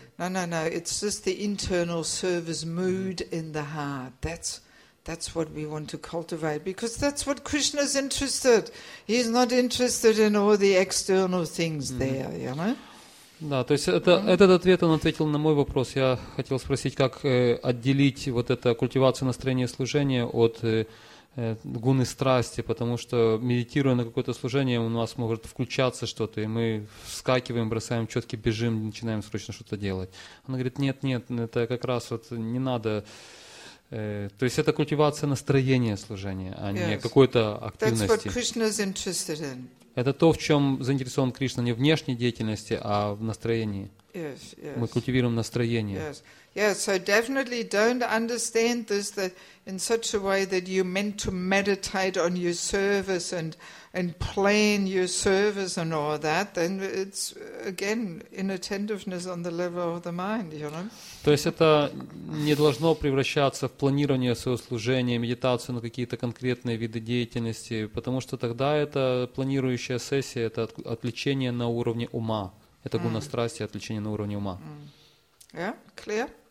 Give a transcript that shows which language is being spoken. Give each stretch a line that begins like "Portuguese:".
English: No, it's just the internal service mood in the heart. That's what we want to cultivate, because that's what Krishna is interested. He's not interested in all the external things there, you know.
Russian: Да, то есть этот ответ, он ответил на мой вопрос. Я хотел спросить, как отделить вот это культивацию настроения служения от гуны страсти, потому что медитируя на какое-то служение, у нас может включаться что-то, и мы вскакиваем, бросаем четки, бежим, начинаем срочно что-то делать. Она говорит, нет, это как раз вот не надо. То есть это культивация настроения служения, а не какой-то активности.
English: That's what Krishna is interested in.
Russian: Это то, в чем заинтересован Кришна, не в внешней деятельности, а в настроении.
English: Yes.
Russian: Мы культивируем настроение.
English: Yes, so definitely don't understand this that in such a way that you meant to meditate on your service and plan your service and all that, then it's again inattentiveness on the level of the mind, you know?
Russian: То есть это не должно превращаться в планирование своего служения, медитацию на какие-то конкретные виды деятельности, потому что тогда это планирующая сессия, это отвлечение на уровне ума. Это гуна страсти, отвлечение на уровне ума.
English: Yeah, clear?